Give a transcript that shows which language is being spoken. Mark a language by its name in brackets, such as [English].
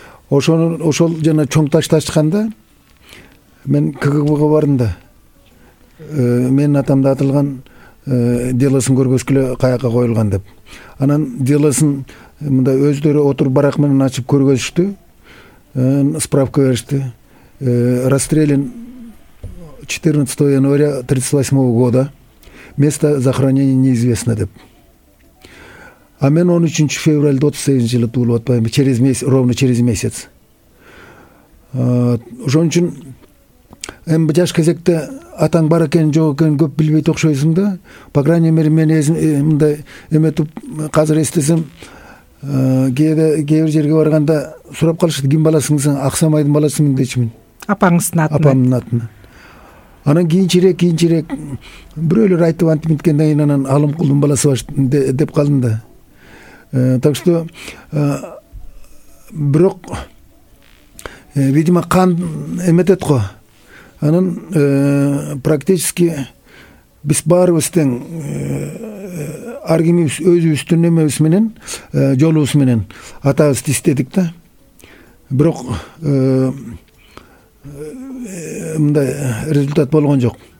[Kyrgyz] Ошол жана чоң таш ташканда мен КГБ-га бардым да. Менин атамда атылган делосун көргөчкүлө каяка коюлган деп. Анан делосун мындай өздөрү отуруп барак менен ачып көргөзүштү. Справка беришти. [Russian] Расстрелян 14 января 38 года. Место захоронения неизвестно [Kyrgyz] деп. А мен [Russian] 13 февраля [Kyrgyz] 38 жылы туулуп атпаймы? [Russian] Через месяц, ровно через месяц. [Kyrgyz] Ошон үчүн эми жаш кезекте атаң бар экен, жок экен көп билбейт окшойсуң да. [Russian] По крайней мере [Kyrgyz] мен мындай эметип азыр эстесем, кээ бир жерге барганда сурап калышты, ким баласың сен? Аксамайдын баласымын дечимин. Апаңыздын атына. Апамдын атына. Анан кийинчерээк бирөөлөр айтып антип биткенден кийин анан Алымкулдун баласы деп калдым да. [Russian] Так что [Kyrgyz] бирок видимо кан эметет го. Анан практически биз баарыбыз тең ар кимибиз өзүбүздүн эмебиз менен жолубуз менен атабызды истедик да. Бирок мындай результат болгон жок.